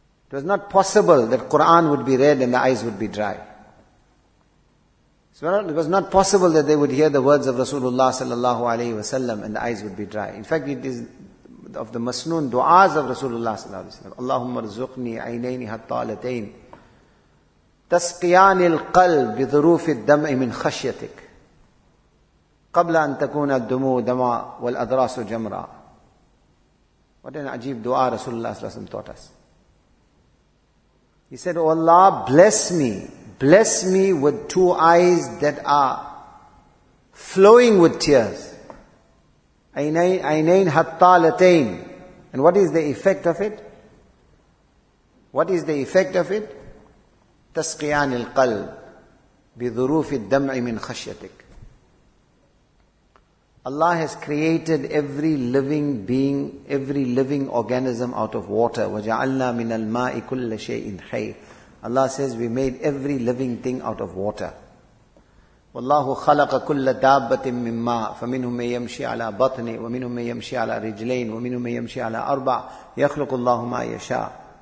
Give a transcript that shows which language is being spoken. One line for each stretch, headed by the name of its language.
English: It was not possible that Quran would be read and the eyes would be dry. It was not possible that they would hear the words of Rasulullah sallallahu alaihi wasallam and the eyes would be dry. In fact, it is of the masnoon du'as of Rasulullah sallallahu alaihi wasallam.
Arabic: Allahumma rizqni aynaini hattalatayn. تسقيان القلب بظروف الدمع من خشيتك قبل أن تكون الدموع دمع والأدراس جمرة.
English: What an ajeeb dua Rasulullah sallallahu alaihi wasallam taught us. He said, oh Allah, bless me with two eyes that are flowing with tears.
Arabic: عينين هطالتين.
English: And what is the effect of it? What is the effect of it?
Arabic: تسقيان القلب بظروف الدمع من خشيتك.
English: Allah has created every living being, every living organism out of water.
Arabic: وَجَعَلْنَا مِنَ الْمَاءِ كُلَّ شَيْءٍ حَيٍّ.
English: Allah says, we made every living thing out of water.
Arabic: وَاللَّهُ خَلَقَ كُلَّ دَابَّةٍ مِّن مَّاءٍ فَمِنْهُمْ مَن يَمْشِي عَلَى بَطْنِهِ وَمِنْهُمْ مَن يَمْشِي عَلَى رِجْلَيْنِ وَمِنْهُمْ مَن يَمْشِي عَلَى أَرْبَعٍ يَخْلُقُ اللَّهُ مَا يَشَاءُ.